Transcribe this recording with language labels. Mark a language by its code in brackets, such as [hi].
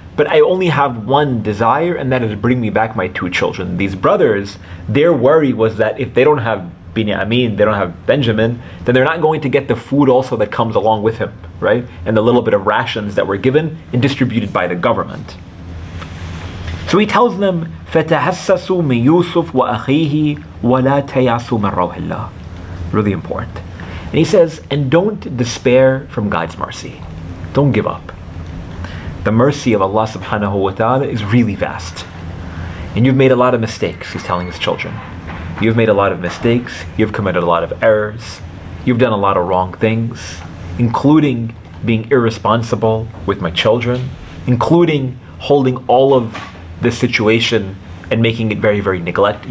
[en] But I only have one desire, and that is bring me back my two children. These brothers, their worry was that if they don't have Binyamin, they don't have Benjamin, then they're not going to get the food also that comes along with him, right? And the little bit of rations that were given and distributed by the government. So he tells them, [ar] فَتَحَسَّسُوا مِن يُوسُفْ وَأَخِيهِ وَلَا تَيَعْسُوا مِن رَوْحِ اللَّهِ. [en] Really important. And he says, and don't despair from God's mercy. Don't give up. The mercy of Allah subhanahu wa ta'ala is really vast. And you've made a lot of mistakes, he's telling his children. You've made a lot of mistakes, you've committed a lot of errors, you've done a lot of wrong things, including being irresponsible with my children, including holding all of this situation and making it very, very neglectful.